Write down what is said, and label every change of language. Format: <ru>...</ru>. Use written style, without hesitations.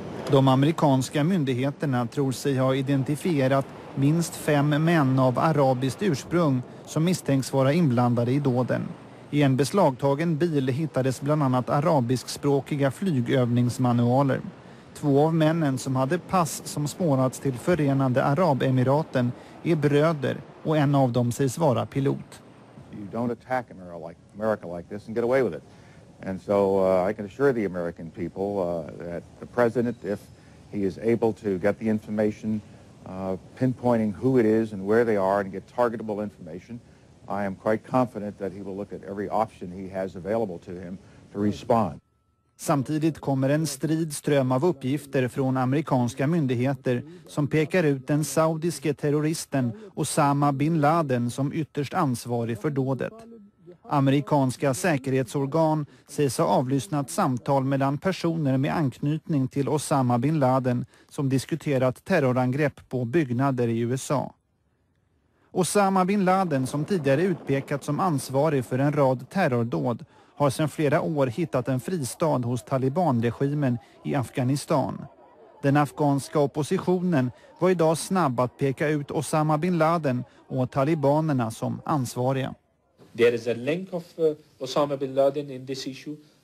<sv>De amerikanska myndigheterna tror sig ha identifierat minst 5 män av arabiskt ursprung som misstänks vara inblandade i dåden. I en beslagtagen bil hittades bland annat arabiskspråkiga flygövningsmanualer. 2 av männen som hade pass som spårats till Förenade Arabemiraten är bröder och en av dem sägs vara pilot.</sv> <en>You don't attack America like this and get away with it. And so I can assure the American people that the president, if he is able to get the information pinpointing who it is and where they are and get targetable information, I am quite confident that he will look at every option he has available to him to respond.</en> <sv>Samtidigt kommer en strid ström av uppgifter från amerikanska myndigheter som pekar ut den saudiske terroristen Osama bin Laden som ytterst ansvarig för dådet. Amerikanska säkerhetsorgan sägs ha avlyssnat samtal mellan personer med anknytning till Osama bin Laden som diskuterat terrorangrepp på byggnader i USA. Osama bin Laden, som tidigare utpekat som ansvarig för en rad terrordåd, har sedan flera år hittat en fristad hos talibanregimen i Afghanistan. Den afghanska oppositionen var idag snabb att peka ut Osama bin Laden och talibanerna som ansvariga.</sv> <en>There is a link of Osama bin Laden in this issue.</en>